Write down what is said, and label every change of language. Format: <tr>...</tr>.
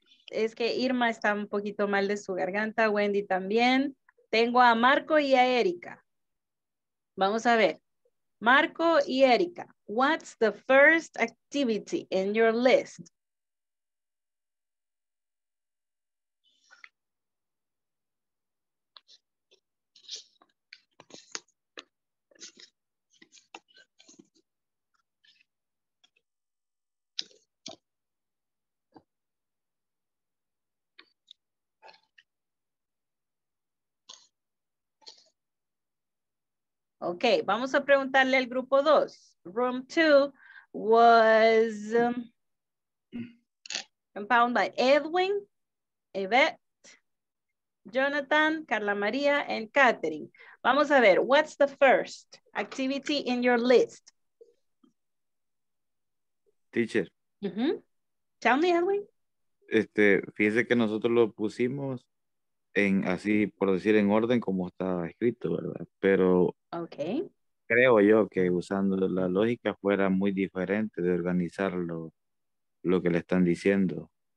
<es>Es que Irma está un poquito mal de su garganta, Wendy también. Tengo a Marco y a Erika. Vamos a ver.</es> <en>Marco y Erika, what's the first activity in your list? Okay,</en> <es>vamos a preguntarle al grupo 2.</es> <en>Room 2 was compound by Edwin, Yvette, Jonathan, Carla Maria, and Catherine.</en> <es>Vamos a ver,</es> <en>what's the first activity in your list? Teacher. Mm-hmm. Tell me, Edwin.</en> <es>Este, fíjese que nosotros lo pusimos en así, por decir, en orden como está escrito, ¿verdad? Pero okay, creo yo que usando la lógica fuera muy diferente de organizar lo que le están diciendo.</es>